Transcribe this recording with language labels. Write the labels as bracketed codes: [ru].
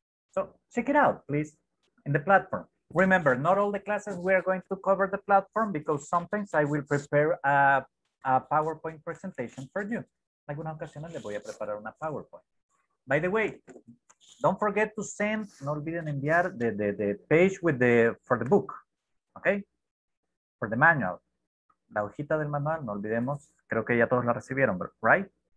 [en] So check it out, please, in the platform. Remember, not all the classes we are going to cover the platform because sometimes I will prepare a PowerPoint presentation for you. [es] En alguna ocasión le voy a preparar una PowerPoint. [en] By the way, don't forget to send, [es] no olviden enviar [en] the page with the for the book, okay? For the manual. [es] La hojita del manual, no olvidemos, creo que ya todos la recibieron, [en] right?